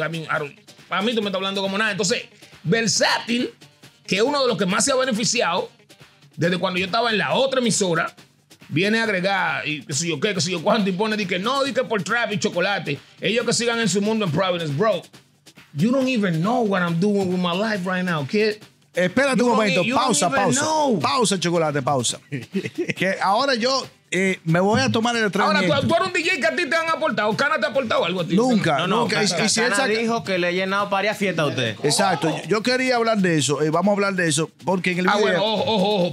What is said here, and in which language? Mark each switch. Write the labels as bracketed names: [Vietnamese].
[Spanish] A mí tú me estás hablando como nada. Entonces, Versátil, que es uno de los que más se ha beneficiado desde cuando yo estaba en la otra emisora, viene a agregar y qué sé yo cuánto y pone, di que por Trap y Chocolate. Ellos que sigan en su mundo en Providence, bro. [English] You don't even know what I'm doing with my life right now, kid. [Spanish] Espérate un momento. Pausa. Pausa, Chocolate, pausa. Que ahora yo me voy a tomar el atrevimiento. Ahora, ¿tú eres un DJ que a ti te han aportado? ¿Cana te ha aportado algo a ti? Nunca. Cana dijo que le he llenado varias fiestas a usted. Exacto. Yo quería hablar de eso. Vamos a hablar de eso porque en el video... Bueno, ojo.